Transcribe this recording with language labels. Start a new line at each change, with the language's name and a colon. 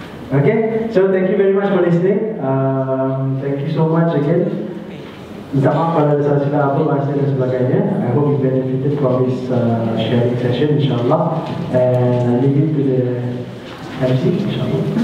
English: Okay, so thank you very much for listening. Thank you so much again.
Malay: Minta maaf kalau ada salah silap apa, bahasa dan sebagainya.
English: I hope you benefited from this sharing session, inshallah. And I leave it to the MC, inshallah.